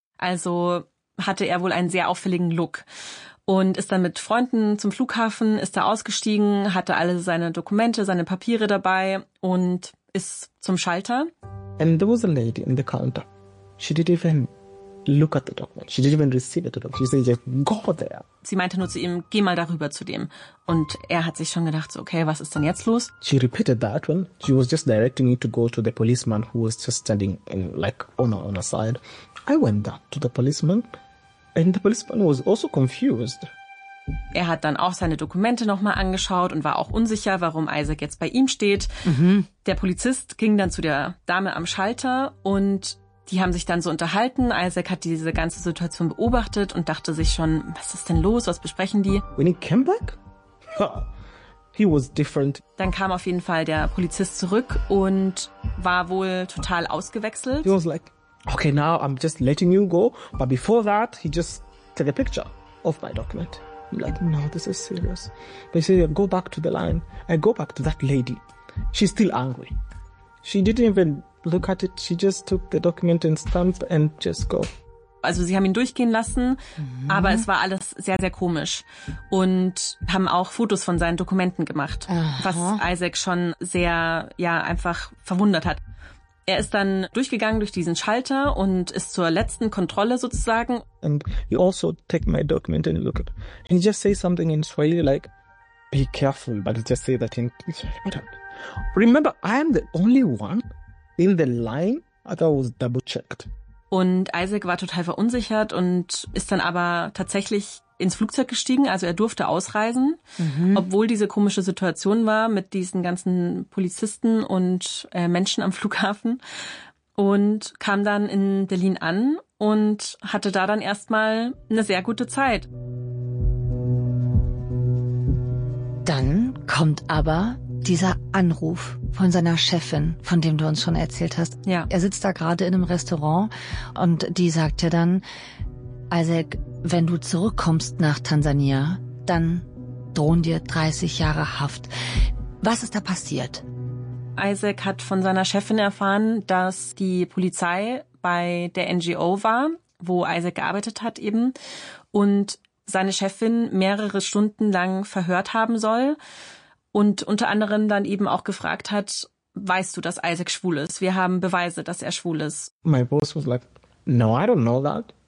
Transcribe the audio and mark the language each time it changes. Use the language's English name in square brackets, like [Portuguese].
[German] Also hatte er wohl einen sehr auffälligen Look und ist dann mit Freunden zum Flughafen, ist da ausgestiegen, hatte alle seine Dokumente, seine Papiere dabei und ist zum Schalter. [English] And there was a lady in the counter. She didn't even look at the document. She didn't even receive the document. She said, just go there. [German] Sie meinte nur zu ihm, geh mal darüber zu dem. Und er hat sich schon gedacht, so, okay, was ist denn jetzt los? [English] She repeated that one. She was just directing me to go to the policeman who was just standing in, like on a side. I went that to the policeman and the policeman was also confused. [German] Er hat dann auch seine Dokumente nochmal angeschaut und war auch unsicher, warum Isaac jetzt bei ihm steht. Mhm. Der Polizist ging dann zu der Dame am Schalter und die haben sich dann so unterhalten. Isaac hat diese ganze Situation beobachtet und dachte sich schon, was ist denn los, was besprechen die? [English] When he came back? He was different. [German] Dann kam auf jeden Fall der Polizist zurück und war wohl total ausgewechselt. [English] He was like, okay, now I'm just letting you go. But before that, he just took a picture of my document. I'm like, no, this is serious. They say, go back to the line. I go back to that lady. She's still angry. She didn't even look at it. She just took the document and stamp and just go. [German] Also sie haben ihn durchgehen lassen, aber es war alles sehr, sehr komisch. Und haben auch Fotos von seinen Dokumenten gemacht, was Isaac schon sehr, ja, einfach verwundert hat. Er ist dann durchgegangen durch diesen Schalter und ist zur letzten Kontrolle sozusagen. [English] And you also take my document and look at it. And you just say something in Swahili like, be careful, but you just say that in Swahili. Remember, I am the only one in the line that was double checked. [German] Und Isaac war total verunsichert und ist dann aber tatsächlich ins Flugzeug gestiegen. Also er durfte ausreisen, obwohl diese komische Situation war mit diesen ganzen Polizisten und Menschen am Flughafen. Und kam dann in Berlin an und hatte da dann erstmal eine sehr gute Zeit. Dann kommt aber dieser Anruf von seiner Chefin, von dem du uns schon erzählt hast. Ja. Er sitzt da gerade in einem Restaurant und die sagt ja dann, Isaac, wenn du zurückkommst nach Tansania, dann drohen dir 30 Jahre Haft. Was ist da passiert? Isaac hat von seiner Chefin erfahren, dass die Polizei bei der NGO war, wo Isaac gearbeitet hat eben, und seine Chefin mehrere Stunden lang verhört haben soll. Und unter anderem dann eben auch gefragt hat, weißt du, dass Isaac schwul ist? Wir haben Beweise, dass er schwul ist. [English] My boss was like, no, I don't know that.